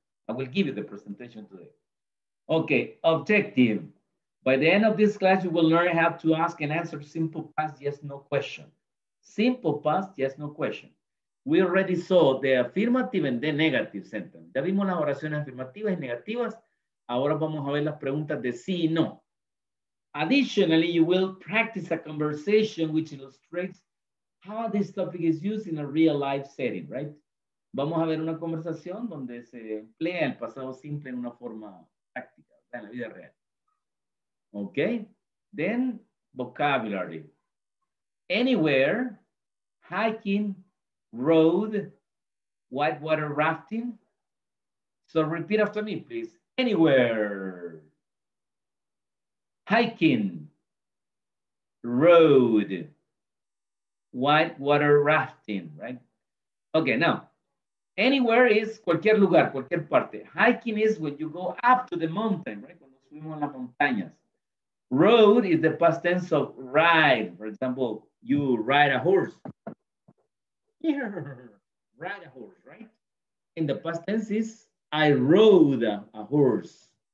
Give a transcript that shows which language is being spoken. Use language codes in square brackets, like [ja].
[en] I will give you the presentation today. Okay, objective. By the end of this class, you will learn how to ask and answer simple past yes, no question. Simple past yes, no question. We already saw the affirmative and the negative sentence. [es] Ya vimos las oraciones afirmativas y negativas. Ahora vamos a ver las preguntas de sí y no. [en] Additionally, you will practice a conversation which illustrates how this topic is used in a real life setting, right? [es] Vamos a ver una conversación donde se emplea el pasado simple en una forma práctica, en la vida real. [en] Okay, then vocabulary. Anywhere, hiking, road, whitewater rafting. So repeat after me, please. Anywhere. Hiking, road, whitewater rafting, right? Okay, now, anywhere is [es] cualquier lugar, cualquier parte. [en] Hiking is when you go up to the mountain, right? [es] Cuando subimos las montañas. [en] Road is the past tense of ride. For example, you ride a horse. Ride a horse, right? In the past tense is I rode a horse.